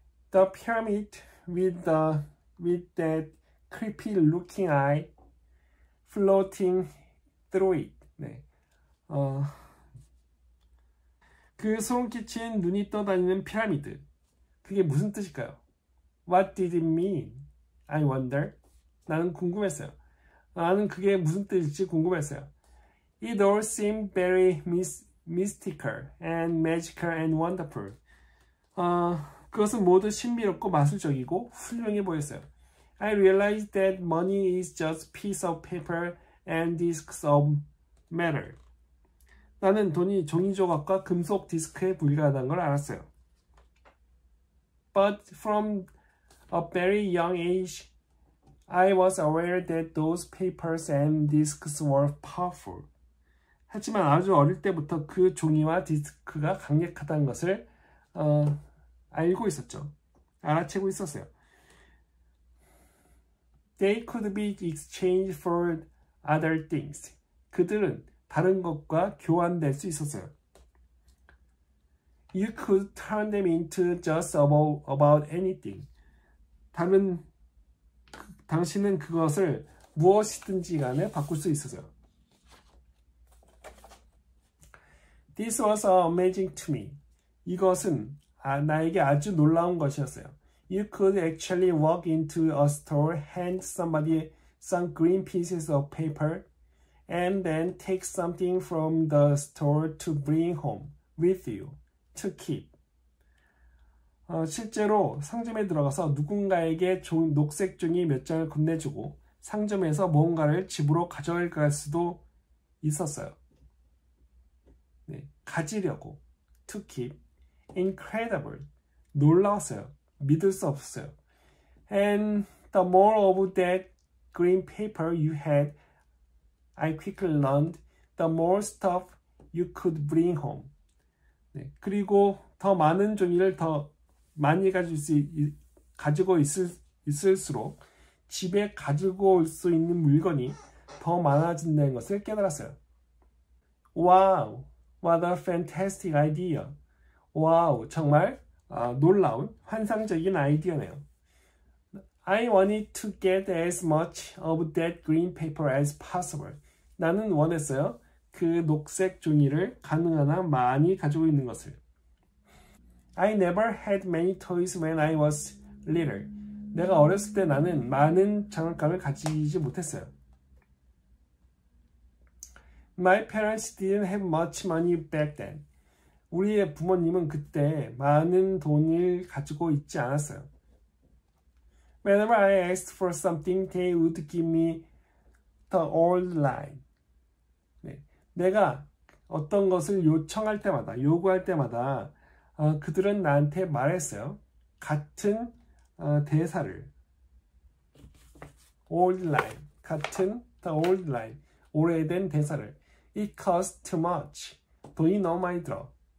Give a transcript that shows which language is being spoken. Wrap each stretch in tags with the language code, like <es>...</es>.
<en>The pyramid with that creepy looking eye floating through it.</en> <ko>네. 그 소름 끼친 눈이 떠다니는 피라미드. 그게 무슨 뜻일까요?</ko> <en>What did it mean? I wonder.</en> <ko>나는 궁금했어요. 나는 그게 무슨 뜻일지 궁금했어요.</ko> <en>It all seemed very mystical and magical and wonderful.</en> <ko>그것은 모두 신비롭고 마술적이고 훌륭해 보였어요.</ko> <en>I realized that money is just a piece of paper and disks of metal.</en> <ko>나는 돈이 종이 조각과 금속 디스크에 불과하다는 걸 알았어요.</ko> <en>But from a very young age, I was aware that those papers and disks were powerful.</en> <ko>하지만 아주 어릴 때부터 그 종이와 디스크가 강력하다는 것을 알고 있었죠. 알아채고 있었어요.</ko> <en>They could be exchanged for other things.</en> <ko>그들은 다른 것과 교환될 수 있었어요.</ko> <en>You could turn them into just about anything.</en> <ko>당신은 그것을 무엇이든지 간에 바꿀 수 있었어요.</ko> <en>This was amazing to me.</en> <ko>이것은 나에게 아주 놀라운 것이었어요.</ko> <en>You could actually walk into a store, hand somebody some green pieces of paper, and then take something from the store to bring home with you to keep.</en> <ko>실제로 상점에 들어가서 누군가에게 녹색 종이 몇 장을 건네주고 상점에서 뭔가를 집으로 가져갈 수도 있었어요. 네, 가지려고.</ko> <en>To keep. Incredible.</en> <ko>놀라웠어요. 믿을 수 없어요.</ko> <en>And the more of that green paper you had, I quickly learned the more stuff you could bring home.</en> <ko>네, 그리고 더 많은 종이를 더 많이 가지고 있을수록 집에 가지고 올수 있는 물건이 더 많아진다는 것을 깨달았어요.</ko> <en>Wow, what a fantastic idea.</en> <ko>와우, 정말 놀라운 환상적인 아이디어네요.</ko> <en>I wanted to get as much of that green paper as possible.</en> <ko>나는 원했어요. 그 녹색 종이를 가능한 한 많이 가지고 있는 것을.</ko> <en>I never had many toys when I was little.</en> <ko>내가 어렸을 때 나는 많은 장난감을 가지지 못했어요.</ko> <en>My parents didn't have much money back then.</en> <ko>우리의 부모님은 그때 많은 돈을 가지고 있지 않았어요.</ko> <en>Whenever I asked for something, they would give me the old line.</en> <ko>내가 어떤 것을 요청할 때마다, 요구할 때마다, 그들은 나한테 말했어요. 같은 대사를.</ko> <en>Old line.</en> <ko>같은</ko> <en>the old line.</en> <ko>오래된 대사를.</ko> <en>It costs too much.</en> <ko>돈이 너무 많이 들어.</ko>